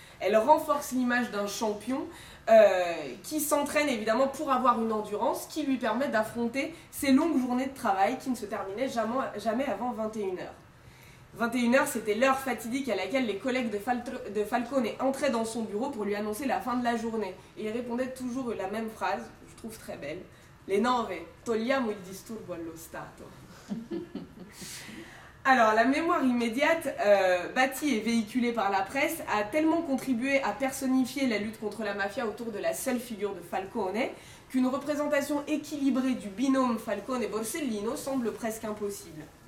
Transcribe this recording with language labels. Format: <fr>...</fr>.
<fr>Elle renforce l'image d'un champion qui s'entraîne évidemment pour avoir une endurance qui lui permet d'affronter ses longues journées de travail qui ne se terminaient jamais avant 21h. 21h, c'était l'heure fatidique à laquelle les collègues de Falcone entraient dans son bureau pour lui annoncer la fin de la journée. Et il répondait toujours la même phrase, que je trouve très belle.</fr> <it>« Le nove, togliamo il disturbo allo stato.</it> <fr>» Alors, la mémoire immédiate, bâtie et véhiculée par la presse, a tellement contribué à personnifier la lutte contre la mafia autour de la seule figure de Falcone qu'une représentation équilibrée du binôme Falcone-Borsellino semble presque impossible.</fr>